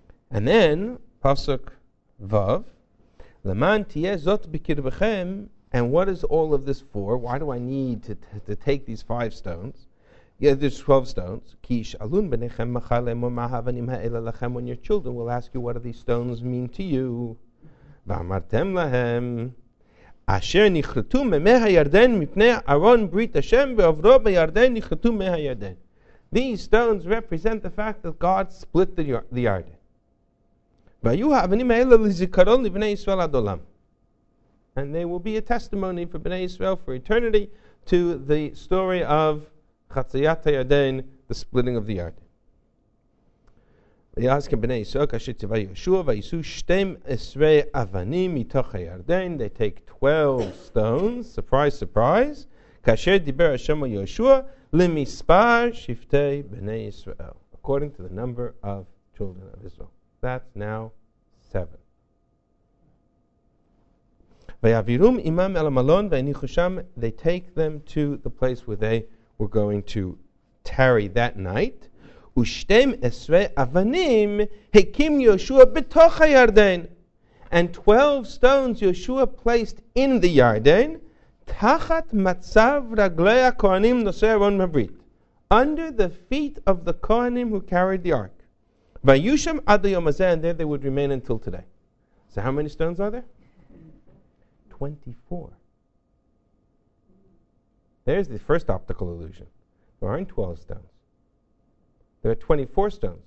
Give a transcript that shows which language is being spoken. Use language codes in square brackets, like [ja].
[en] And then [he] pasuk vav, leman tiyeh zot bekirbechem. [en] And what is all of this for? Why do I need to take these five stones? Yeah, there's 12 stones. [he] Ki ish'alun b'nechem machar le'mor ma'havanim ha'ela lachem. [en] When your children will ask you, what do these stones mean to you? [he] V'amartem lahem, אשר נחרטו ממי הירדן מפני ארון ברית השם ועברו בירדן נחרטו ממי הירדן. [en] These stones represent the fact that God split the Yarden. [he] והיו האבנים האלה לזיכרון לבני ישראל עד עולם. [en] And they will be a testimony for Bnei Israel for eternity to the story of Chatzayat HaYarden, the splitting of the Yarden. [he] ויעז כבני ישראל כאשר ציווה יהושע ויישאו 12 אבנים מתוך הירדן. [en] They take 12 stones, surprise, surprise. [he] כאשר דיבר השם על יהושע למספר שבטי בני ישראל. [en] According to the number of children of Israel. That's now 7. [he] ויעבירום עמם אל המלון והניחו שם. [en] They take them to the place where they were going to tarry that night. [he] ושתים עשרה אבנים הקים יהושע בתוך הירדן. [en] And 12 stones [he] יהושע [en] placed in the [he] ירדן, תחת מצב רגלי הכהנים נושא ארון הברית. [en] Under the feet of the כהנים who carried the ark. [he] והיו שם עד היום הזה, [en] and there they would remain until today. So how many stones are there? 24. There's the first optical illusion. There aren't 12 stones. There are 24 stones.